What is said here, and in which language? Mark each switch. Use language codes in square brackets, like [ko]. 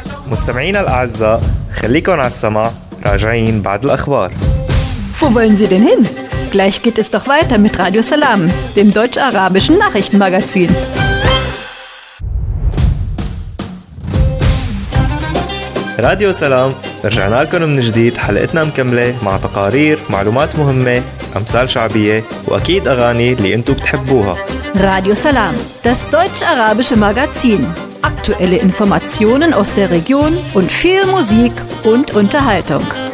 [ar] مستمعينا الأعزاء خليكم على السماع راجعين بعد الأخبار. [de] Wo wollen Sie denn hin? Gleich geht es doch weiter mit Radio Salam, dem deutsch-arabischen Nachrichtenmagazin. [ar] راديو سلام، رجعنا لكم من جديد، حلقتنا مكملة مع تقارير، معلومات مهمة، أمثال شعبية وأكيد أغاني اللي أنتو بتحبوها. [de] راديو سلام، das deutsche arabische Magazin. Aktuelle Informationen aus der Region und viel Musik und Unterhaltung.